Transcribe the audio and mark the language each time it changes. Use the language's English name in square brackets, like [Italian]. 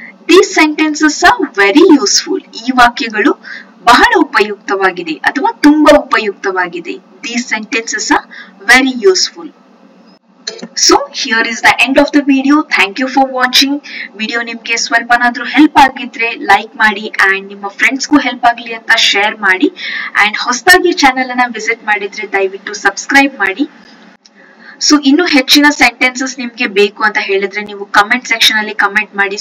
[English] These sentences are very useful. [Kannada] ಈ ವಾಕ್ಯಗಳು ಬಹಳ ಉಪಯುಕ್ತವಾಗಿದೆ ಅಥವಾ ತುಂಬಾ ಉಪಯುಕ್ತವಾಗಿದೆ. [English] These sentences are very useful. So, here is the end of the video. Thank you for watching. [Kannada] Video ನಿಮ್ಗೆ ಸ್ವಲ್ಪನಾದ್ರೂ ಹೆಲ್ಪ್ ಆಗಿದ್ರೆ ಲೈಕ್ ಮಾಡಿ, ಅಂಡ್ ನಿಮ್ಮ ಫ್ರೆಂಡ್ಸ್ಗೂ ಹೆಲ್ಪ್ ಆಗಲಿ ಅಂತ ಶೇರ್ ಮಾಡಿ, ಅಂಡ್ ಹೊಸದಾಗಿ ಚಾನೆಲ್ ಅನ್ನ ವಿಸಿಟ್ ಮಾಡಿದ್ರೆ ದಯವಿಟ್ಟು ಸಬ್ಸ್ಕ್ರೈಬ್ ಮಾಡಿ. ಸೊ ಇನ್ನು ಹೆಚ್ಚಿನ ಸೆಂಟೆನ್ಸಸ್ ನಿಮ್ಗೆ ಬೇಕು ಅಂತ ಹೇಳಿದ್ರೆ ನೀವು ಕಮೆಂಟ್ ಸೆಕ್ಷನ್ ಅಲ್ಲಿ ಕಮೆಂಟ್ ಮಾಡಿ.